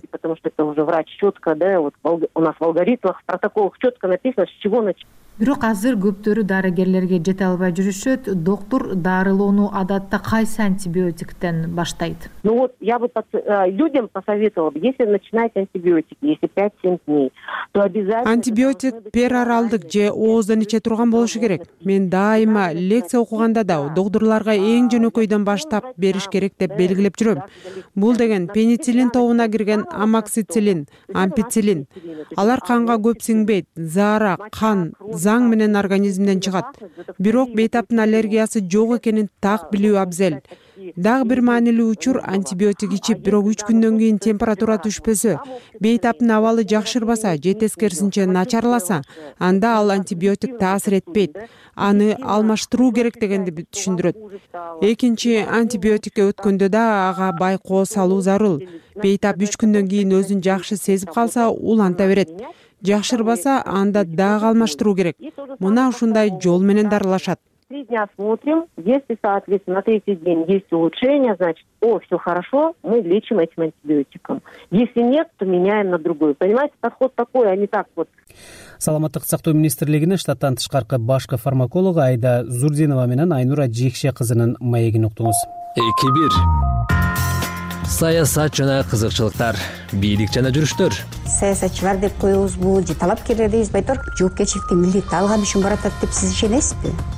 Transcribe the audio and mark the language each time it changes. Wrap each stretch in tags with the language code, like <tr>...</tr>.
<ru>Потому что это уже врач четко, да, вот у нас в алгоритмах, в протоколах четко написано, с чего начать.</ru> <ky>Бирок азыр көптөрү дарыгерлерге жете албай жүрүшөт. Доктор дарылоону адатта кайсы антибиотиктен баштайт?</ky> <ru>Ну вот я бы людям посоветовала бы, если начинать антибиотики, если 5-7 дней, то обязательно...</ru> <ky>Антибиотик пероралдык же ооздон иче турган болушу керек. Мен дайыма лекция окуганда да доктурларга эң жөнөкөйдөн баштап бериш керек деп белгилеп жүрөм. Бул деген пенициллин тобуна кирген амоксициллин, ампициллин. Алар канга көп сиңбейт, заара, кан... заң менен организмден чыгат. Бирок бейтаптын аллергиясы жок экенин так билүү абзел. Дагы бир маанилүү учур антибиотик ичип, бирок 3 күндөн кийин температура түшпөсө, бейтаптын абалы жакшырбаса же тескерисинче начарласа, анда ал антибиотик таасир этпейт. Аны алмаштыруу керек дегенди түшүндүрөт. Экинчи антибиотикке өткөндө да ага байкоо салуу зарыл. Бейтап 3 күндөн кийин өзүн жакшы сезип калса, уланта берет. Жакшырбаса анда дагы алмаштыруу керек. Мына ушундай жол менен дарылашат.</ky> <ru>Три дня смотрим, если соответственно на третий день есть улучшение, значит, о, все хорошо, мы лечим этим антибиотиком. Если нет, то меняем на другой. Понимаете, подход такой, а не так вот.</ru> <ky>Саламаттык сактоо министрлигинин штаттан тышкаркы башкы фармакологу Айда Зурдинова менен Айнура Жекше кызынын маегин уктуңуз. 2-1. Саясат жана кызыкчылыктар, бийлик жана жүрүштөр. Саясатчылар деп коюбузбу, же талапкерлер дейбизби, айтор жоопкерчиликти милдет алган үчүн баратат деп сиз ишенесизби?</ky>